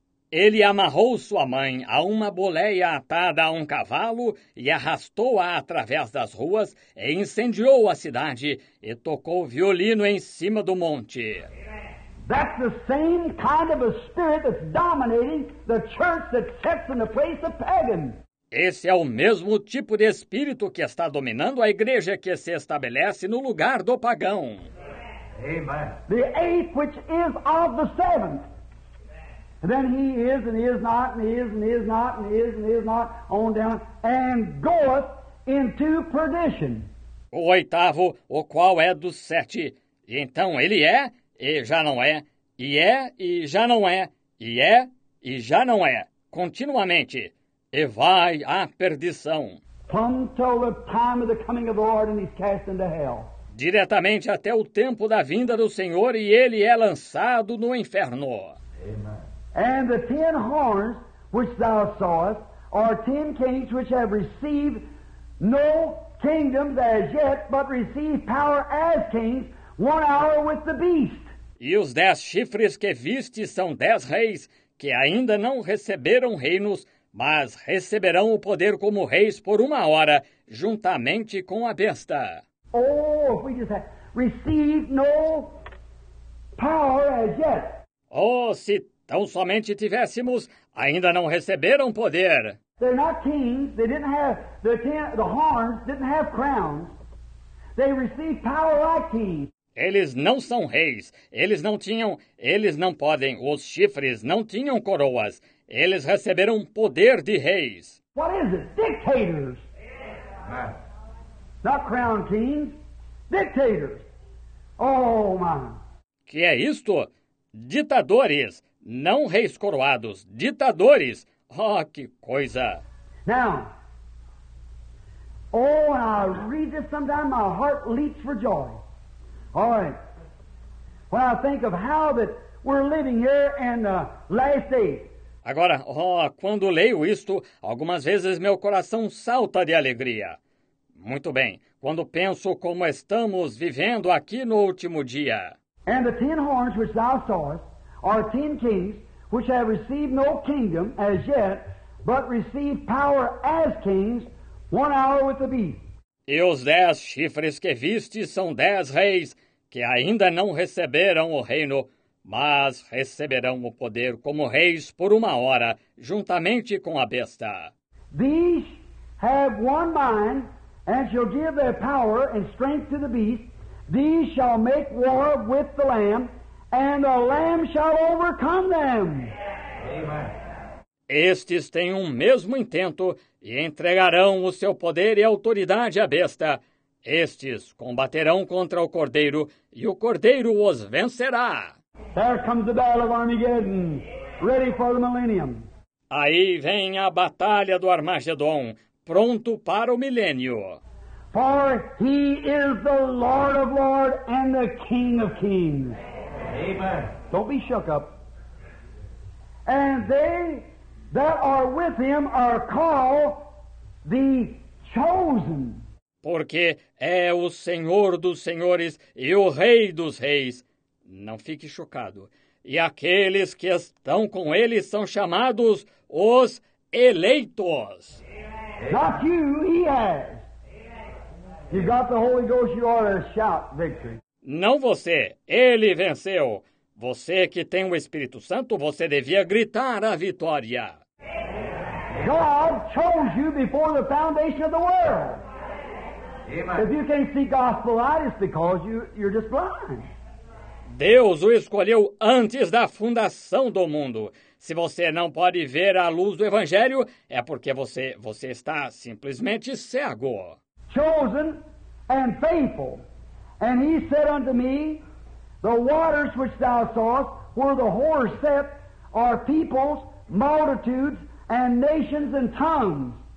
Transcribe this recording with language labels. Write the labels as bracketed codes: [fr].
[pt] Ele amarrou sua mãe a uma boleia atada a um cavalo e arrastou-a através das ruas e incendiou a cidade e tocou violino em cima do monte. [en] That's the same kind of a spirit that's dominating the church that sits in the place of pagan. [pt] Esse é o mesmo tipo de espírito que está dominando a igreja que se estabelece no lugar do pagão. [en] Amen. The eighth which is of the seventh. And then he is and is not and is and is not and is and is not on down and goeth into perdition. [pt] O oitavo, o qual é dos sete. E então ele é e já não é. E é e já não é. E é e já não é. Continuamente. E vai à perdição. [en] Come till the time of the coming of the Lord and he's cast into hell. [pt] Diretamente até o tempo da vinda do Senhor e ele é lançado no inferno. Amém. [en] And the ten horns which thou sawest are ten kings which have received no kingdoms as yet, but received power as kings 1 hour with the beast. [pt] E os 10 chifres que viste são 10 reis que ainda não receberam reinos, mas receberão o poder como reis por uma hora, juntamente com a besta. [en] Oh, we just received no power as yet. [pt] Oh, se tão somente tivéssemos, ainda não receberam poder. [en] They're not kings. They didn't have the horns. Didn't have crowns. They received power like kings. [pt] Eles não são reis. Eles não podem. Os chifres não tinham coroas. Eles receberam poder de reis. [en] What is it? Dictators. Not crown kings. Dictators. Oh my. [pt] Que é isto? Ditadores. Não reis coroados. Ditadores. Oh, que coisa. [en] Now. Oh, when I read this sometime, my heart leaps for joy. All right. When I think of how that we're living here in the last days. [pt] Agora, oh, quando leio isto, algumas vezes meu coração salta de alegria. Muito bem, quando penso como estamos vivendo aqui no último dia. [en] And the 10 horns which thou sawest are 10 kings which have received no kingdom as yet, but received power as kings 1 hour with the beast. [pt] E os 10 chifres que viste são 10 reis que ainda não receberam o reino, mas receberão o poder como reis por uma hora, juntamente com a besta. [en] These have one mind, and shall give their power and strength to the beast. These shall make war with the Lamb, and the Lamb shall overcome them. Amen. [pt] Estes têm um mesmo intento e entregarão o seu poder e autoridade à besta. Estes combaterão contra o Cordeiro e o Cordeiro os vencerá. [en] There comes the battle of Armageddon, ready for the millennium. [pt] Aí vem a batalha do Armagedon, pronto para o milênio. [en] For he is the Lord of lords and the King of kings. Amen. Don't be shook up. And they that are with him are called the chosen. [pt] Porque é o Senhor dos senhores e o Rei dos reis. Não fique chocado. E aqueles que estão com ele são chamados os eleitos. [en] Not you, he has. You got the Holy Ghost, you ought to shout victory. [pt] Não você, ele venceu. Você que tem o Espírito Santo, você devia gritar a vitória. [en] God chose you before the foundation of the world. Amen. If you can't see gospel light, it's because you're just blind. [pt] Deus o escolheu antes da fundação do mundo. Se você não pode ver a luz do Evangelho, é porque você está simplesmente cego. [en] Chosen and faithful. And he said unto me, the waters which thou sawest, where the horse set, are peoples, multitudes, and nations and tongues.